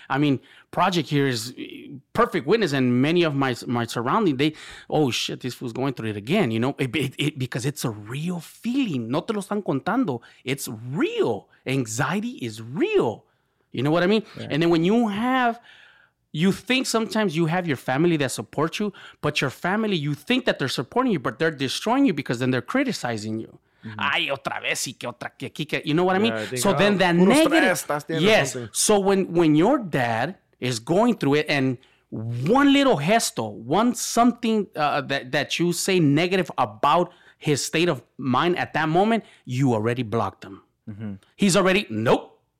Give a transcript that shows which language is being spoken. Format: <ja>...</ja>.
<en>I mean, Project here is perfect witness, and many of my surrounding, they, this fool's going through it again, because it's a real feeling.</en> <es>No te lo están contando.</es> <en>It's real. Anxiety is real. You know what I mean? Yeah. And then when you think sometimes you have your family that supports you, but your family, you think that they're supporting you, but they're destroying you because then they're criticizing you. Mm-hmm.</en> <es>Ay, otra vez, y que otra, que aquí, que,</es> <en>you know what I mean? So then that negative, so when your dad is going through it and one little gesto, one something that you say negative about his state of mind at that moment, you already blocked him. Mm-hmm. He's already, nope.</en>